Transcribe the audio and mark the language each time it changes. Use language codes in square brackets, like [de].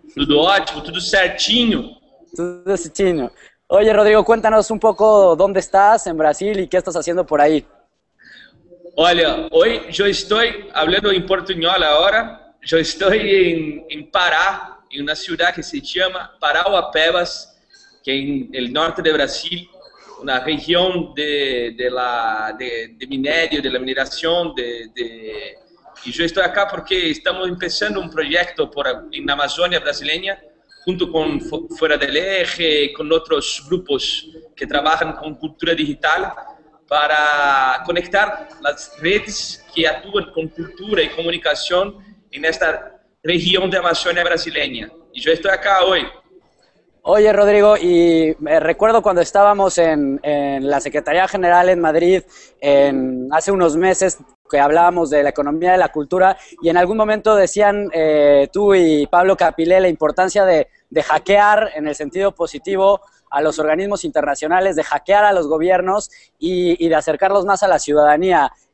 [pt] Tudo ótimo, tudo certinho. Tudo certinho. [es] Oye, Rodrigo, cuéntanos un poco dónde estás en Brasil y qué estás haciendo por ahí. Olha, hoy yo estoy hablando en portuñol ahora. Yo estoy en Pará, en una ciudad que se llama Parauapebas, que es en el norte de Brasil. [pt] Na região de minério, de la mineração. E eu estou aqui porque estamos começando um projeto na Amazônia brasileira, junto com Fora del Eje, com outros grupos que trabalham com cultura digital, para conectar as redes que atuam com cultura e comunicação nesta região da Amazônia brasileira. E eu estou aqui hoje. [es] Oye, Rodrigo, y recuerdo cuando estábamos en la Secretaría General en Madrid hace unos meses que hablábamos de la economía de la cultura y en algún momento decían tú y Pablo Capilé la importancia de hackear en el sentido positivo a los organismos internacionales, de hackear a los gobiernos y de acercarlos más a la ciudadanía.